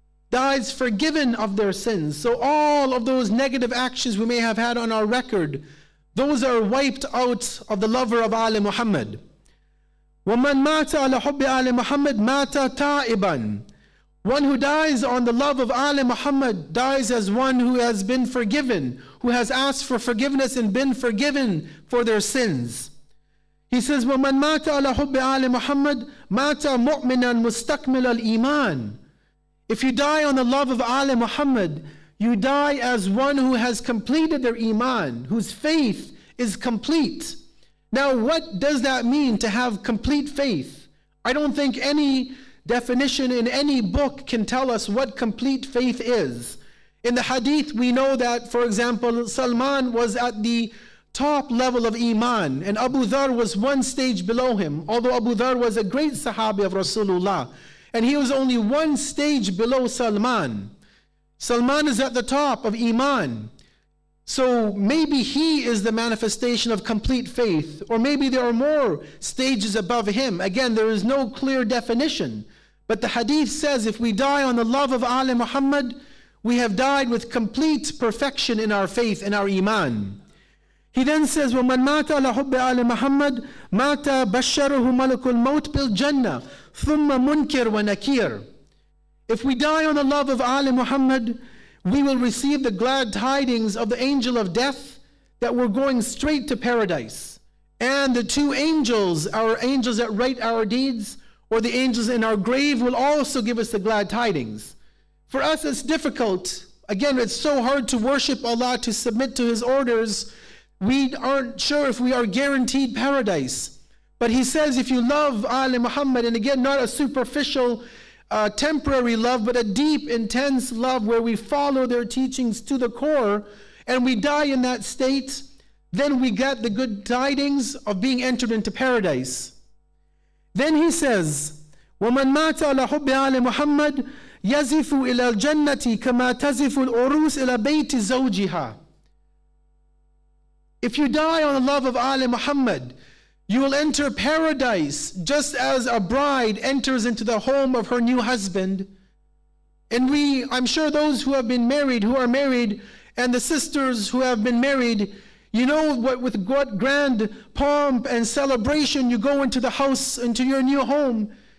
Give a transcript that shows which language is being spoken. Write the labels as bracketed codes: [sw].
[en] Dies forgiven of their sins. So all of those negative actions we may have had on our record, those are wiped out of the lover of Ali Muhammad. [ar] وَمَنْ مَاتَ عَلَى حُبِّ عَلِ مُحَمَّدْ مَاتَ تَائِبًا. [en] One who dies on the love of Ali Muhammad dies as one who has been forgiven, who has asked for forgiveness and been forgiven for their sins. He says, [ar] وَمَنْ مَاتَ عَلَى حُبِّ عَلِ مُحَمَّدْ مَاتَ مُؤْمِنًا مُسْتَكْمِلَ الْإِيمَانِ. [en] If you die on the love of Ali Muhammad, you die as one who has completed their iman, whose faith is complete. Now, what does that mean to have complete faith? I don't think any definition in any book can tell us what complete faith is. In the hadith, we know that, for example, Salman was at the top level of iman, and Abu Dharr was one stage below him, although Abu Dharr was a great sahabi of Rasulullah, and he was only one stage below Salman. Salman is at the top of iman. So maybe he is the manifestation of complete faith, or maybe there are more stages above him. Again, there is no clear definition. But the hadith says, if we die on the love of Ali Muhammad, we have died with complete perfection in our faith, in our iman. He then says, [ar] وَمَنْ مَاتَ عَلَى حُبِّ عَلِ مُحَمَّدْ مَاتَ بَشَّرُهُ مَلَكُ الْمَوْتِ بِالْجَنَّةِ ثُمَّ مُنْكِرْ وَنَكِيرْ. [en] If we die on the love of Ali Muhammad, we will receive the glad tidings of the angel of death that we're going straight to paradise. And the two angels, our angels that write our deeds, or the angels in our grave, will also give us the glad tidings. For us, it's difficult. Again, it's so hard to worship Allah, to submit to His orders. We aren't sure if we are guaranteed paradise. But He says, if you love Ali Muhammad, and again, not a superficial temporary love, but a deep, intense love where we follow their teachings to the core, and we die in that state, then we get the good tidings of being entered into paradise. Then he says, [ar] وَمَنْ مَاتَ عَلَى حُبِّ عَلِ مُحَمَّدْ يَزِفُ إِلَى الْجَنَّةِ كَمَا تَزِفُ الْأُرُوسِ إِلَى بَيْتِ زَوْجِهَا. [en] If you die on the love of Ali Muhammad, you will enter paradise just as a bride enters into the home of her new husband. And I'm sure those who have been married, who are married, and the sisters who have been married, you know with what grand pomp and celebration you go into the house, into your new home.